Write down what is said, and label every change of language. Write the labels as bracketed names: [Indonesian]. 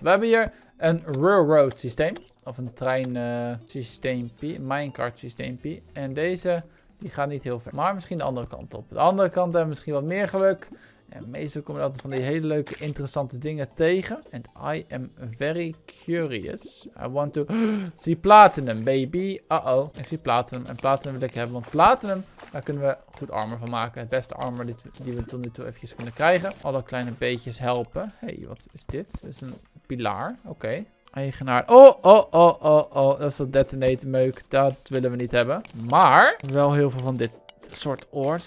[Dutch] We hebben hier een railroad systeem. Of een trein systeempie. Minecraft systeempie. En deze, die gaat niet heel ver. Maar misschien de andere kant op. De andere kant hebben we misschien wat meer geluk. En meestal komen we altijd van die hele leuke, interessante dingen tegen. [English] And I am very curious. I want to see platinum, baby. [Dutch] Uh-oh. Ik zie platinum. En platinum wil ik hebben, want platinum, daar kunnen we goed armor van maken. Het beste armor die we tot nu toe eventjes kunnen krijgen. Alle kleine beetjes helpen. Hey, wat is dit? Dit is een pilaar. Oké. Eigenaar. Oh. Dat is dat detonate meuk. Dat willen we niet hebben. Maar wel heel veel van dit soort oors.